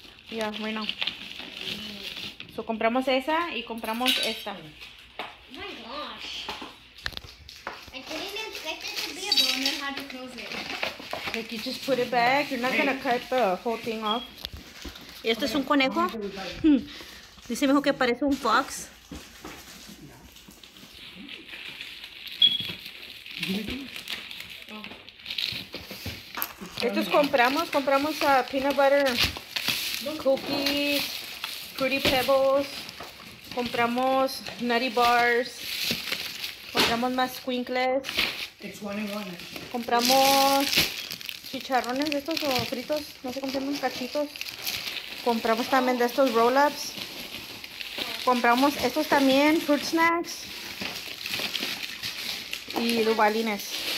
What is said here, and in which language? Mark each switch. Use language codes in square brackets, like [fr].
[es] Ya, bueno. So, compramos esa y compramos esta. [en] Oh my gosh. I didn't expect it to be a bone. I had to close it. Like you just put it back. You're not going to cut the whole thing off. [es] Y esto okay. Es un conejo. Dice mi hijo que parece un fox. Estos compramos peanut butter cookies, fruity pebbles, compramos nutty bars, compramos más squinkles, compramos chicharrones de estos o fritos, no sé cómo se llaman, cachitos, compramos también de estos roll ups, compramos estos también, fruit snacks y duvalines.